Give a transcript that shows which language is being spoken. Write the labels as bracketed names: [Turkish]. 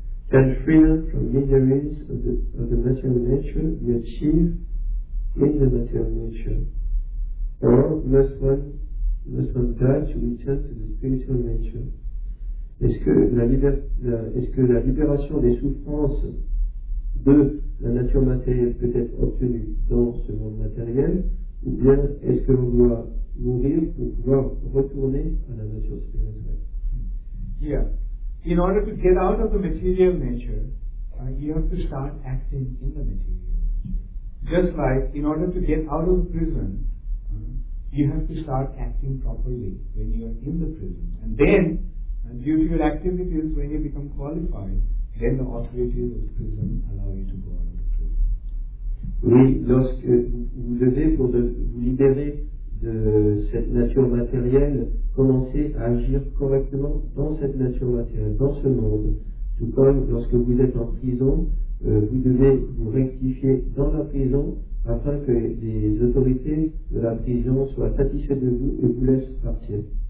[English] Can freedom from miseries of the material nature be achieved in the material nature? Or must one die to return to the spiritual nature? [French] Est-ce que la libération des souffrances de la nature matérielle peut être obtenue dans ce monde matériel? Ou bien est-ce que l'on doit mourir pour pouvoir retourner à la nature spirituelle? [English] Yeah. In order to get out of the material nature, you have to start acting in the material nature. Just like, in order to get out of the prison, you have to start acting properly when you are in the prison. And then, due to your activities, when you become qualified, then the authorities of the prison allow you to go out of the prison. [French] Oui, lorsque vous devez, pour vous libérer de cette nature matérielle, commencer à agir correctement dans cette nature matérielle, dans ce monde. Tout comme lorsque vous êtes en prison, vous devez vous rectifier dans la prison afin que les autorités de la prison soient satisfaites de vous et vous laissent partir.